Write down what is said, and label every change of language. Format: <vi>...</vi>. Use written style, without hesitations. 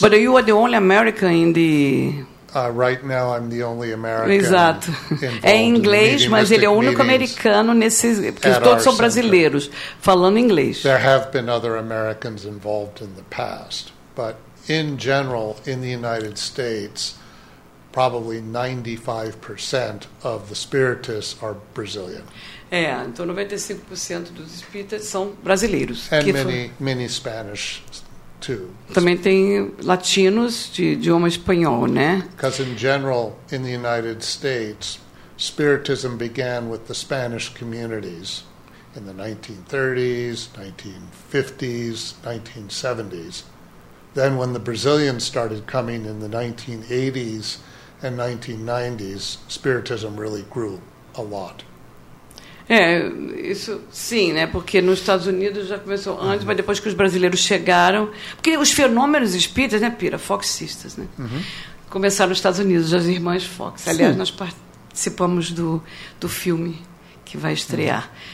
<en>But you are the only American in the. Right now I'm the only American.</en> <pt>Exato. É inglês, mas ele é o único americano nesses, porque todos são brasileiros falando inglês.</pt> <en>There have been other Americans involved in the past, but in general, in the United States, probably 95% of the Spiritists are Brazilian.</en> <pt>É, então 95% dos espíritas são brasileiros.</pt> <en>And many Spanish too.</en> <pt>Também tem latinos de idioma espanhol, né?</pt> <en>Because in general, in the United States, Spiritism began with the Spanish communities in the 1930s, 1950s, 1970s. Then when the Brazilians started coming in the 1980s and 1990s, Spiritism really grew a lot.</en> <pt>É, isso sim, né? Porque nos Estados Unidos já começou antes, mas depois que os brasileiros chegaram, porque os fenômenos espíritas, né, Pira, Fox Sisters, né? Começaram nos Estados Unidos, as irmãs Fox. Sim. Aliás, nós participamos do filme que vai estrear.</pt>